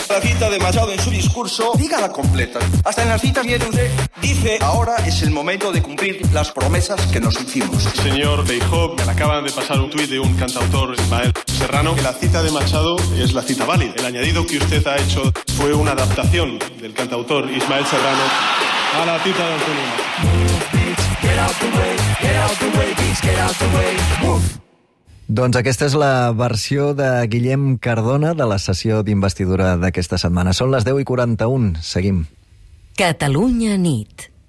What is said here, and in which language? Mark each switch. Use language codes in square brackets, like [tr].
[es] La cita de Machado en su discurso, dígala completa. Hasta en las citas viene usted, dice, ahora es el momento de cumplir las promesas que nos hicimos. Señor Feijóo, me acaban de pasar un tuit de un cantautor, Ismael Serrano, que la cita de Machado es la cita válida. El añadido que usted ha hecho fue una adaptación del cantautor Ismael Serrano a la cita de Antonio. [en] Move, bitch, get out the way, get out the way, bitch, get out the way, move. [ca] Doncs aquesta és la versió de Guillem Cardona de la sessió d'investidura d'aquesta setmana. Són les 10:41. Seguim. Catalunya nit.